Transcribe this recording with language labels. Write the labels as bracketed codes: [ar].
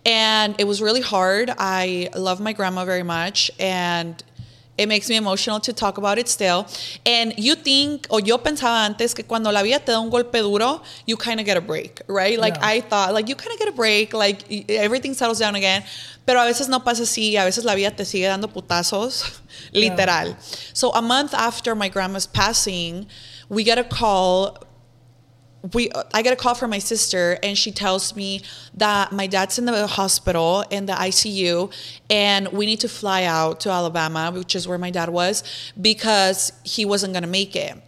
[en] And it was really hard. I love my grandma very much and it makes me emotional to talk about it still. And you think, [es] o yo pensaba antes que cuando la vida te da un golpe duro, [en] you kind of get a break, right? Like yeah. I thought, like you kind of get a break, like everything settles down again. [es] Pero a veces no pasa así, a veces la vida te sigue dando putazos, literal. [en] Yeah. So a month after my grandma's passing, I get a call from my sister and she tells me that my dad's in the hospital in the ICU and we need to fly out to Alabama, which is where my dad was, because he wasn't going to make it.